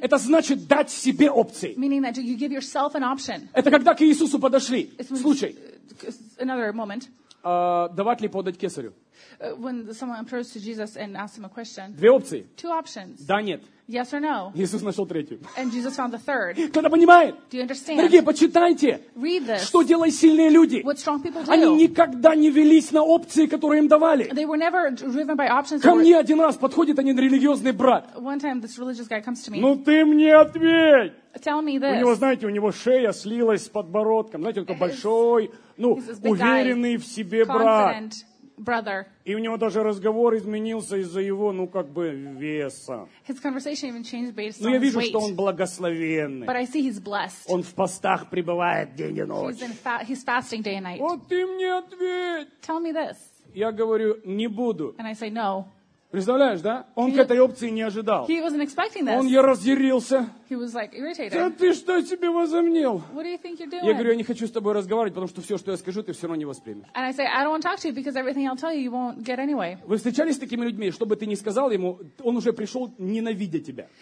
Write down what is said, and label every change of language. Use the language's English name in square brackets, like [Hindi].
[Russian] Это значит дать себе опции. [English] Meaning that you give yourself an option. [Russian] Это когда к Иисусу подошли. Случай. [English] Another moment. [Russian] Давать ли подать кесарю? [English] When someone approached to Jesus and asked him a question. [Russian] Две опции. [English] Two options. [Russian] Да, нет. [English] Yes or no. [Russian] Иисус нашел третью. [English] And Jesus found the third. [Russian] Кто-то понимает? [English] Do you understand? [Russian] Дорогие, почитайте. [English] Read this. [Russian] Что делают сильные люди? [English] What strong people do. [Russian] Они никогда не велись на опции, которые им давали. [English] They were never driven by options. [Russian] Ко мне один раз подходит один религиозный брат. [English] One time this religious guy comes to me. [Russian] Ну ты мне ответь. [English] Tell me this. [Russian] У него, знаете, у него шея слилась с подбородком. Знаете, он такой большой, ну, уверенный [English] guy, [Russian] в себе брат. [English] Brother. [Russian] И у него даже разговор изменился из-за его, ну, как бы, веса. [English] His conversation even changed based on weight. [Russian] Но я вижу, что он благословенный. [English] But I see he's blessed. [Russian] Он в постах пребывает день и ночь. [English] He's fasting day and night. [Russian] Вот ты мне ответь. [English] Tell me this. [Russian] Я говорю, не буду. [English] And I say, no. [Russian] Представляешь, да? Он к этой опции не ожидал. [English] He wasn't expecting this. [Russian] Он ее разъярился. [English] He was like irritated. [Russian] Да ты что себе возомнил? [English] What do you think you're doing? [Russian] Я говорю, я не хочу с тобой разговаривать, потому что все, что я скажу, ты все равно не воспримешь. [English] And I say, I don't want to talk to you because everything I'll tell you, you won't get anyway. [Russian] Вы встречались с такими людьми, что бы ты ни сказал ему, он уже пришел ненавидя тебя.